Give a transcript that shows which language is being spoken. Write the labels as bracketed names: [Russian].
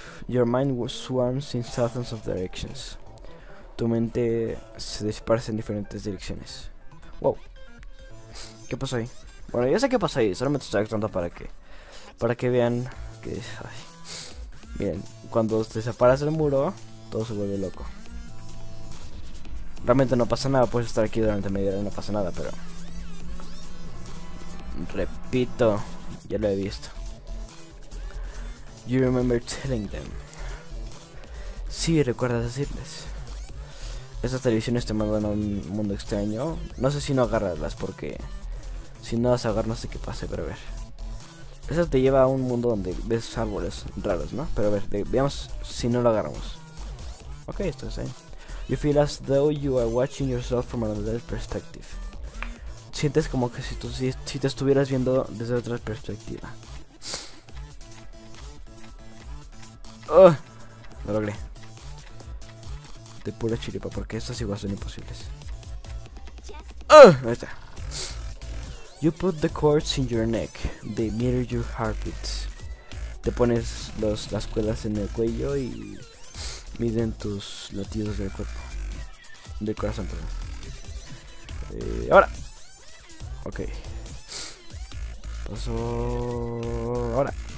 [English] Your mind swarms in thousands of directions. [Spanish] Tu mente se dispersa en diferentes direcciones. Wow. ¿Qué pasó ahí? Bueno, ya sé qué pasó ahí, solo me estoy actuando para que... para que vean que... ay. Miren, cuando te separas del muro, todo se vuelve loco. Realmente no pasa nada, puedes estar aquí durante media hora y no pasa nada, pero... repito, ya lo he visto. [English] You remember telling them. [Spanish] Sí, recuerdas decirles. Estas televisiones te mandan a un mundo extraño. No sé si no agarrarlas, porque... si no las agarras, no sé qué pase, pero a ver. Esa te lleva a un mundo donde ves árboles raros, ¿no? Pero a ver, veamos si no lo agarramos. Ok, esto es ahí. [English] You feel as though you are watching yourself from another perspective. [Spanish] Sientes como que si tú si te estuvieras viendo desde otra perspectiva. ¡Oh! Lo logré. De pura chiripa, porque estas igual son imposibles. ¡Oh! Ahí está. [English] You put the cords in your neck, they mirror your heartbeats. [Spanish] Te pones las cuerdas en el cuello y miden tus latidos del cuerpo. Del corazón, perdón. Ahora. Ok. Paso. Ahora.